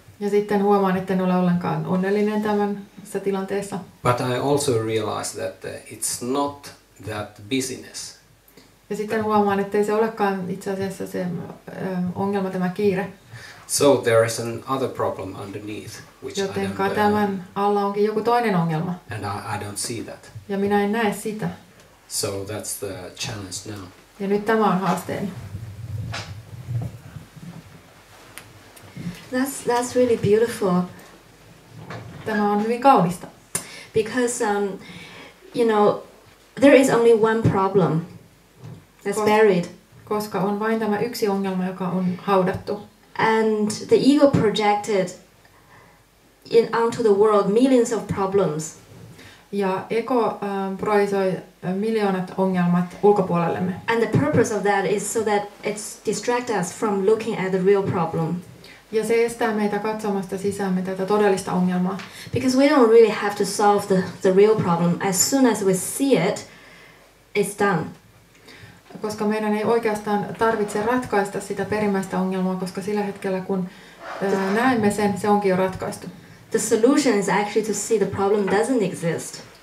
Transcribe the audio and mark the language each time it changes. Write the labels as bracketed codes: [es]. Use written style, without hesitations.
[fi] Ja sitten huomaan, että en ole ollenkaan onnellinen tämänsä tilanteessa. [en] But I also realized that it's not that busyness. [fi] Ja sitten huomaan, että ei se olekaan itse asiassa se ongelma, tämä kiire. [en] So there is another problem underneath, which [fi] jotenka [en] I don't [fi] tämän alla onkin joku toinen ongelma. [en] And I don't see that. [fi] Ja minä en näe sitä. [en] So that's the challenge now. [fi] Ja nyt tämä on haasteeni. [en] That's really beautiful. [fi] Tämä on hyvin kaunista. [en] Because you know, there is only one problem that's buried. [fi] Koska on vain tämä yksi ongelma, joka on haudattu. [en] And the ego projected in onto the world millions of problems. [fi] Ja ego projisoi miljoonat ongelmat ulkopuolellemme. [en] And the purpose of that is so that it distracts us from looking at the real problem. [fi] Ja se estää meitä katsomasta sisäämme tätä todellista ongelmaa. [en] Because we don't really have to solve the real problem. As soon as we see it, it's done. [fi] Koska meidän ei oikeastaan tarvitse ratkaista sitä perimmäistä ongelmaa, koska sillä hetkellä kun näemme sen, se onkin jo ratkaistu. [en] The solution is actually to see the problem doesn't exist.